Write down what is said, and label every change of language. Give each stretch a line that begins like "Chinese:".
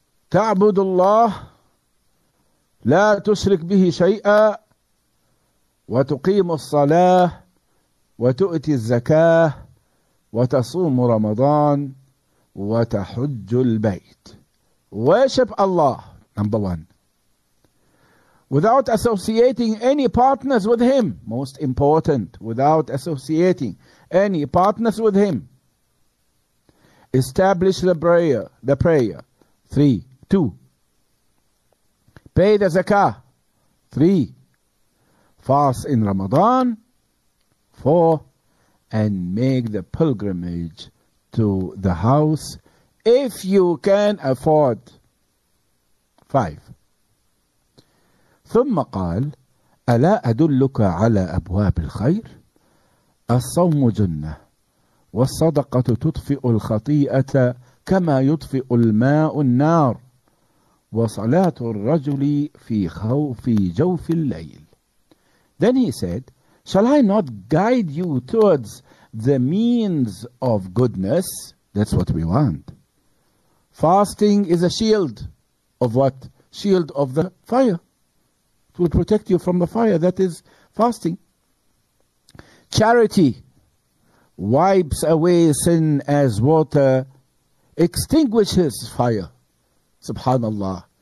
Arabic: تعبد الله لا تشرك به شيئا وتقيم الصلاة وتؤتي الزكاة وتصوم رمضان وتحج البيت.
English: Worship Allah, number one. Without associating any partners with him, most important, without associating any partners with him. Establish the prayer. Three. Two, pay the zakah. Three, fast in Ramadan. Four, and make the pilgrimage to the house if you can afford. Five.
Arabic: ثم قال ألا أدلك على أبواب الخير؟ الصوم جنة والصدقة تطفئ الخطيئة كما يطفئ الماء النار وصلاة الرجل في خوف جوف الليل.
English: Then he said, shall I not guide you towards the means of goodness? That's what we want. Fasting is a shield of what? Shield of the fire. It will protect you from the fire. That is fasting. Charity wipes away sin as water extinguishes fire. Subhanallah.